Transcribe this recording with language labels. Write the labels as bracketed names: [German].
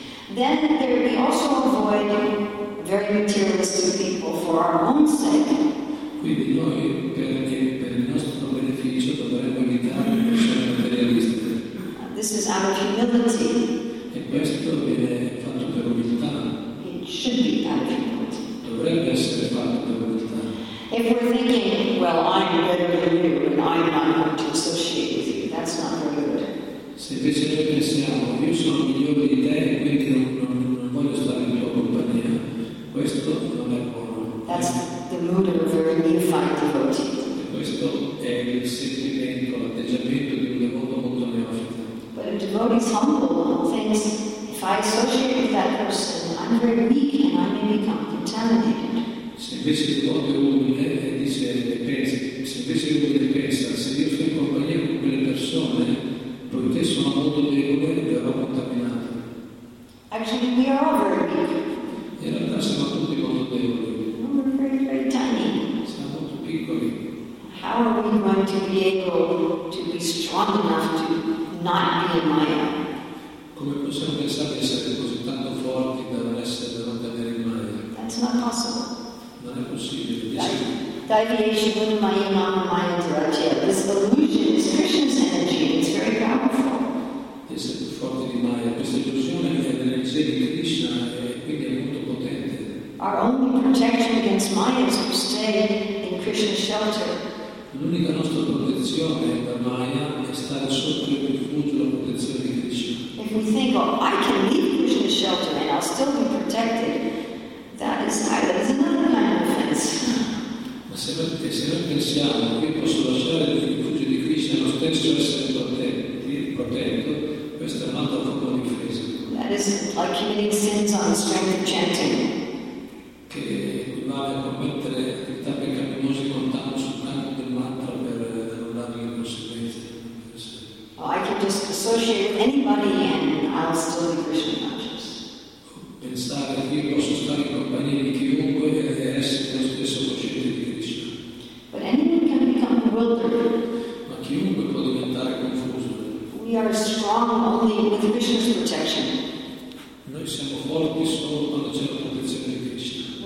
[English] then there we also avoid very materialistic people for our own sake. [Italian] Quindi noi per il nostro beneficio dovremmo evitare le persone materialiste. [English] This is out of humility. [Italian] E questo viene fatto per umiltà. [English] It should be out of humility. [Italian] Dovrebbe essere fatto per umiltà. [English] If we're thinking, well, I'm better than you and I'm not going to associate with you, that's not very good. [Italian] Se invece noi pensiamo, io sono migliore di te e quindi non voglio stare in tua compagnia, questo non è buono. [English] That's the mood of a very neophyte devotee. [Italian] Questo è il sentimento, l'atteggiamento di un devoto molto neofita. [English] But a devotee is humble and thinks, if I associate with that person, I'm very weak and I may become contaminated. [Italian] Se invece il devoto è umile e dice, pensa, se invece il devoto pensa, se io sono in compagnia con quelle persone, poiché sono molto debole e verrò contaminato. [English] Actually, we are all very weak. [Italian] In realtà siamo tutti molto deboli. [English] We're very, very tiny. [Italian] Siamo molto piccoli. [English] How are we going to be able to be strong enough to not be in Maya? [Italian] Come possiamo pensare di essere così tanto forti da non essere, da non tenere in Maya? [English] That's not possible. [Italian] Non è possibile. [Sanskrit] Daivyeshi guna maya mama maya dharajya. [English] This illusion is Krishna's energy. It's very powerful. [Italian] Questa è più forte di Maya. Questa illusione è l'energia di Krishna e quindi è molto potente. [English] Our only protection against Maya is to stay in Krishna's shelter. [Italian] L'unica nostra protezione da Maya è stare sotto il rifugio della protezione di Krishna. [English] If we think, oh, I can leave Krishna's shelter and I'll still be protected, that is another kind of offense. [Italian] Se noi pensiamo che posso lasciare il rifugio di Krishna lo stesso essere protetto, questa è un'altra forma di difesa. [English] That is like committing sins on the strength of chanting. [Italian] Che equivale a commettere attività peccaminose contando sul canto del mantra per non dare le conseguenze. [English] Oh, I can just associate with anybody and I'll still be Krishna conscious. [Italian] Pensare che io posso stare in compagnia di chiunque e essere lo stesso cosciente di Krishna. Ma chiunque può diventare confuso. [English] We are strong only with Krishna's protection. [Italian] Noi siamo forti solo quando c'è la protezione di Krishna.